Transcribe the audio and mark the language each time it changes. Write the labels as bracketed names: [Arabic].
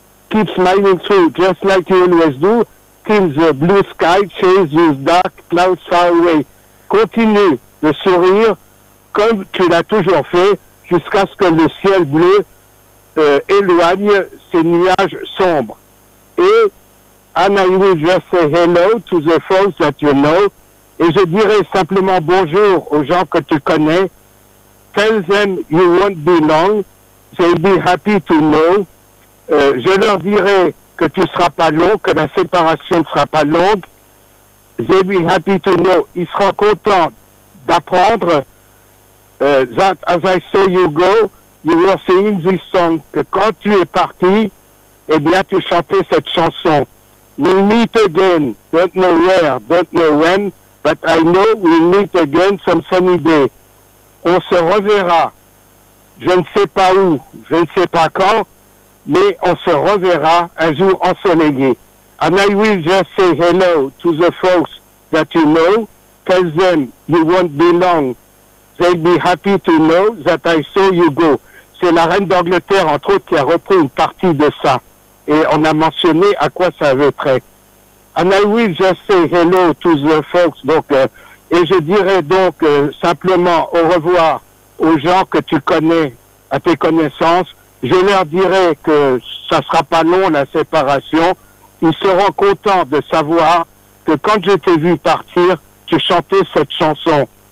[English] Keep smiling through, just like you always do, till the blue sky chases dark clouds far away. [French] Continue de sourire comme tu l'as toujours fait, jusqu'à ce que le ciel bleu éloigne ces nuages sombres. [English] Et, and I will just say hello to the folks that you know. [French] Et je dirai simplement bonjour aux gens que tu connais. [English] Tell them you won't be long. They'll be happy to know. [French] Je leur dirai que tu ne seras pas long, que la séparation ne sera pas longue. [English] They'll be happy to know. [French] Ils seront contents d'apprendre. [English] That as I saw you go, you were singing this song. [French] Que quand tu es parti, eh bien, tu chantais cette chanson. [English] We'll meet again. Don't know where, don't know when, but I know we'll meet again some sunny day. [French] On se reverra. Je ne sais pas où, je ne sais pas quand, mais on se reverra un jour ensoleillé. [English] And I will just say hello to the folks that you know. Tell them you won't be long. They'll be happy to know that I saw you go. [French] C'est la reine d'Angleterre, entre autres, qui a repris une partie de ça. Et on a mentionné à quoi ça avait trait. [English] And I will just say hello to the folks. [French] Et je dirai donc simplement au revoir aux gens que tu connais, à tes connaissances. Je leur dirai que ça sera pas long, la séparation. Ils seront contents de savoir que quand je t'ai vu partir, tu chantais cette chanson.